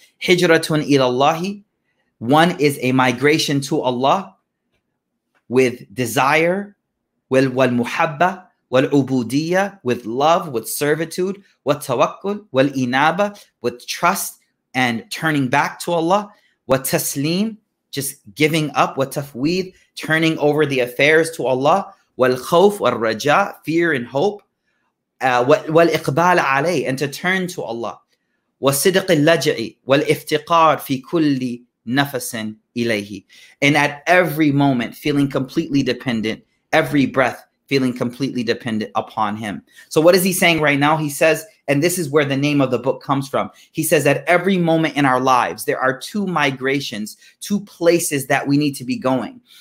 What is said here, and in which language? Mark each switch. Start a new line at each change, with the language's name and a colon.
Arabic: Hijratun ila Allahi,
English: one is a migration to Allah with desire,
Arabic: wal muhabba, wal ubudiyya,
English: with love, with servitude,
Arabic: wa tawakkul, wal inaba,
English: with trust and turning back to Allah,
Arabic: wa taslim,
English: just giving up,
Arabic: wa tafweed,
English: turning over the affairs to Allah,
Arabic: wal khawf, wal raja,
English: fear and hope,
Arabic: wal iqbal alay,
English: and to turn to Allah.
Arabic: وصدق اللجأ والافتقار في كل نفس إليه.
English: And at every moment, feeling completely dependent, every breath, feeling completely dependent upon him. So what is he saying right now? He says, and this is where the name of the book comes from. He says that every moment in our lives, there are two migrations, two places that we need to be going.